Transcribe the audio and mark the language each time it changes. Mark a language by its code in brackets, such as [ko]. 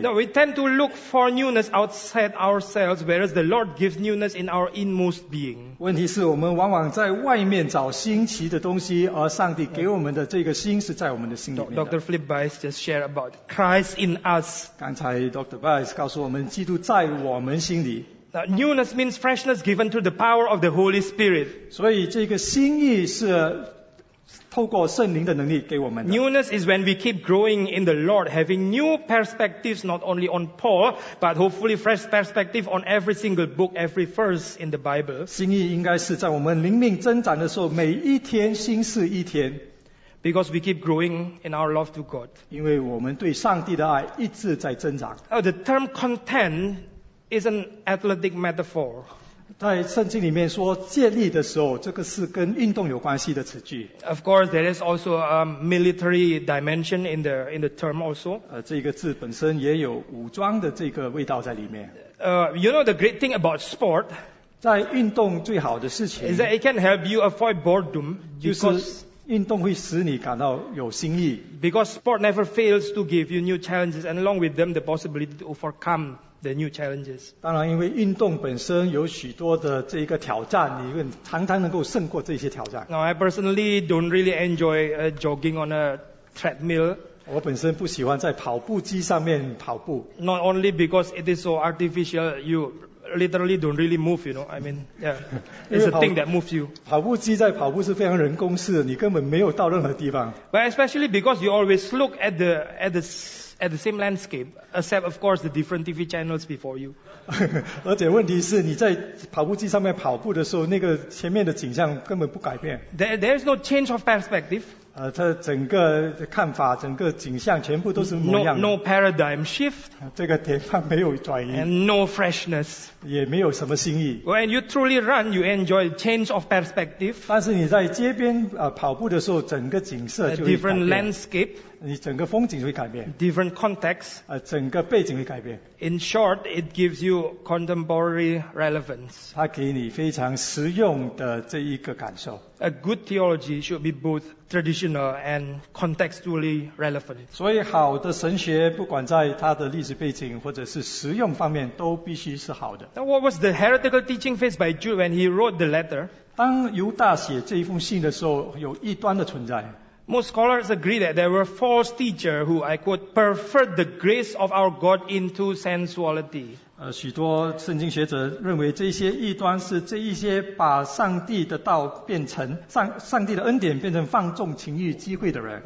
[en] No, we tend to look for newness outside ourselves, whereas the Lord gives newness in our inmost being. [zh] 问题是我们往往在外面找新奇的东西，而上帝给我们的这个心是在我们的心里面的。 [en] Dr. Philip Bice just shared about Christ in us. [zh] 刚才 Dr. Bice 告诉我们，基督在我们心里。 [en] Now, newness means freshness given through the power of the Holy Spirit. [zh] 所以这个新意是透过圣灵的能力给我们的。 [en] Newness is when we keep growing in the Lord, having new perspectives not only on Paul, but hopefully fresh perspective on every single book, every verse in the Bible. [zh] 新意应该是在我们灵命增长的时候，每一天新是一天。 [en] Because we keep growing in our love to God. [zh] 因为我们对上帝的爱一直在增长。 [en] The term content is an athletic metaphor. [zh] 在圣经里面说建立的时候，这个是跟运动有关系的词句。 [en] Of course, there is also a military dimension in the term also. [zh] 这个字本身也有武装的这个味道在里面。 [en] You know the great thing about sport. [zh] 在运动最好的事情 [en] is that it can help you avoid boredom because. [zh] 运动会使你感到有新意。 [en] Because sport never fails to give you new challenges, and along with them, the possibility to overcome the new challenges. [zh] 当然，因为运动本身有许多的这个挑战，你常常能够胜过这些挑战。 [en] Now, I personally don't really enjoy jogging on a treadmill. [zh] 我本身不喜欢在跑步机上面跑步。 [en] Not only because it is so artificial, you literally don't really move, you know. I mean, yeah, it's a thing that moves you. [zh] 跑步机在跑步是非常人工式的，你根本没有到任何地方。 [en] But especially because you always look at the same landscape, except of course the different TV channels before you. [zh] 而且问题是你在跑步机上面跑步的时候，那个前面的景象根本不改变。 [en] There is no change of perspective. [zh] 它整个看法整个景象全部都是模样的。 [en] No paradigm shift. [zh] 这个地方没有转移。 [en] And no freshness. [zh] 也没有什么新意。 [en] When you truly run, you enjoy change of perspective. [zh] 但是你在街边跑步的时候整个景色就会改变。 [en] A different landscape. [zh] 你整个风景会改变。 [en] Different context. [zh] 整个背景会改变。 [en] In short, it gives you contemporary relevance. [zh] 它给你非常实用的这一个感受。 [en] A good theology should be both traditional and contextually relevant. [zh] 所以好的神学不管在它的历史背景或者是实用方面都必须是好的。 [en] Now, what was the heretical teaching faced by Jude when he wrote the letter? [zh] 当犹大写这一封信的时候有异端的存在。 [en] Most scholars agree that there were false teachers who, I quote, perverted the grace of our God into sensuality. [zh] 许多圣经学者认为这些异端是这一些把上帝的道变成 上帝的恩典变成放纵情欲机会的人。